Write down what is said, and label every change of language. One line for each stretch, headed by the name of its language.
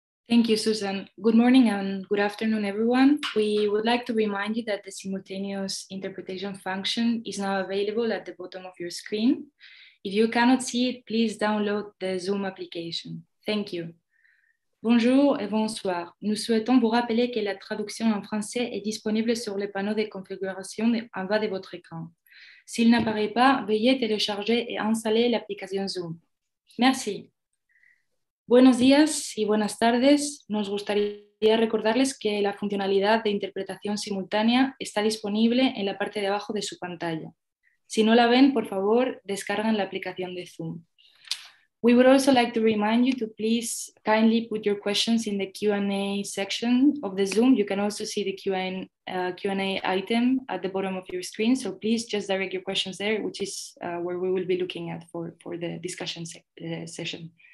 English: Thank you, Susan. Good morning and good afternoon, everyone. We would like to remind you that the simultaneous interpretation function is now available at the bottom of your screen. If you cannot see it, please download the Zoom application. Thank you.
French: Bonjour et bonsoir. Nous souhaitons vous rappeler que la traduction en français est disponible sur le panneau de configuration en bas de votre écran. S'il n'apparaît pas, veuillez télécharger et installer l'application Zoom. Merci.
Spanish: Buenos días y buenas tardes. Nos gustaría recordarles que la funcionalidad de interpretación simultánea está disponible en la parte de abajo de su pantalla. Si no la ven, por favor, descarguen la aplicación de Zoom.
English: We would also like to remind you to please kindly put your questions in the Q&A section of the Zoom. You can also see the Q&A item at the bottom of your screen. So please just direct your questions there, which is where we will be looking at for the discussion session.